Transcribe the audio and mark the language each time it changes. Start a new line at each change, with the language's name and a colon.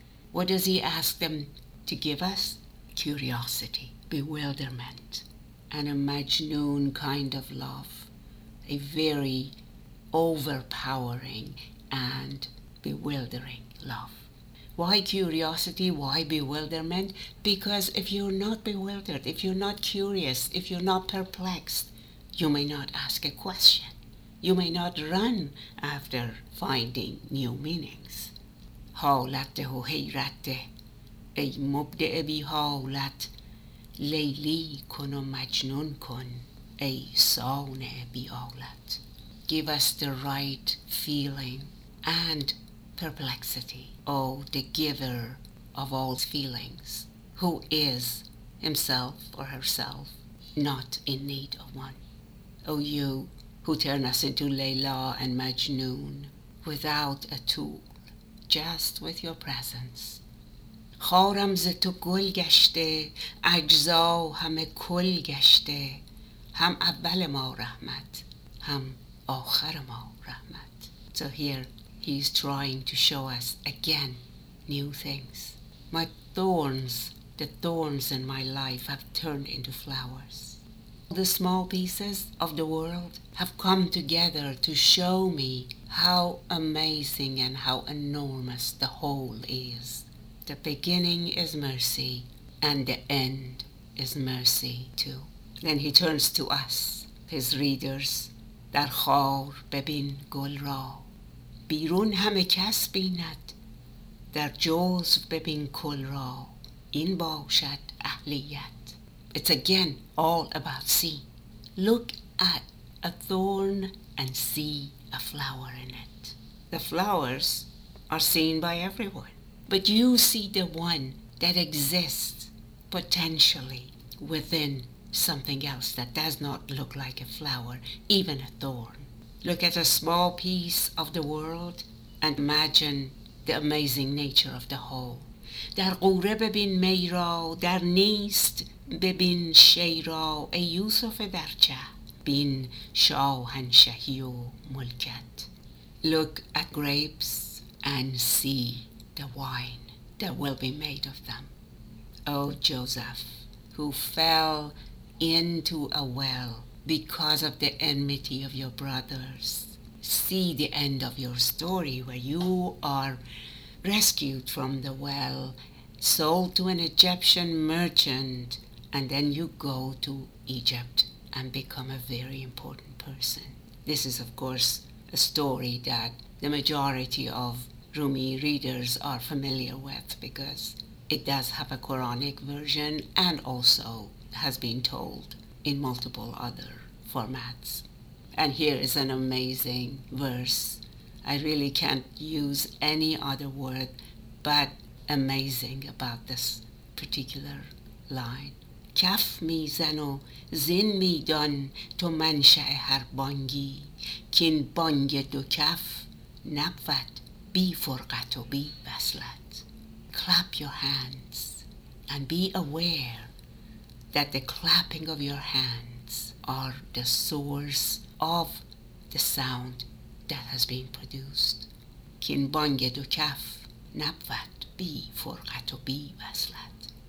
English: What does he ask them to give us? Curiosity, bewilderment, and a Majnun kind of love, a very overpowering and bewildering love. Why curiosity? Why bewilderment? Because if you're not bewildered, if you're not curious, if you're not perplexed, you may not ask a question. You may not run after finding new meanings.
Persian: حالت و حیرت ای مبدع بی حالت لیلی کن و مجنون کن ای صانع بی حالت.
English: Give us the right feeling and perplexity, O the giver of all feelings, who is himself or herself not in need of one. O you who turn us into Layla and Majnun without a tool, just with your presence.
Persian: خارم ز تو گل گشته اجزا همه کل گشته هم اول ما رحمت هم آخر ما رحمت.
English: So here he's trying to show us again new things. My thorns, the thorns in my life have turned into flowers. The small pieces of the world have come together to show me how amazing and how enormous the whole is. The beginning is mercy, and the end is mercy too. Then he turns to us, his readers.
Persian: در خار ببین گل را بیرون همه کس بیند در جزو ببین کل را این باشد اهلیت.
English: It's again all about seeing. Look at a thorn and see a flower in it. The flowers are seen by everyone, but you see the one that exists potentially within something else that does not look like a flower, even a thorn. Look at a small piece of the world and imagine the amazing nature of the whole.
Persian: در قوره ببین می را در نیست ببین شی را ای یوسف درچه بین شاهنشهی و ملکت.
English: Look at grapes and see the wine that will be made of them. O Joseph, who fell into a well because of the enmity of your brothers, see the end of your story, where you are rescued from the well, sold to an Egyptian merchant, and then you go to Egypt and become a very important person. This is, of course, a story that the majority of Rumi readers are familiar with, because it does have a Quranic version and also has been told in multiple other formats. And here is an amazing verse. I really can't use any other word but amazing about this particular line.
Persian: کف می زن و زین می دان تو منشأ هر بانگی کین بانگ دو کف نبود بی فرقت و بی وصلت.
English: Clap your hands and be aware that the clapping of your hands are the source of the sound that has been produced.
Persian: Kin bang du kaf nabvat bi forqat bi waslat.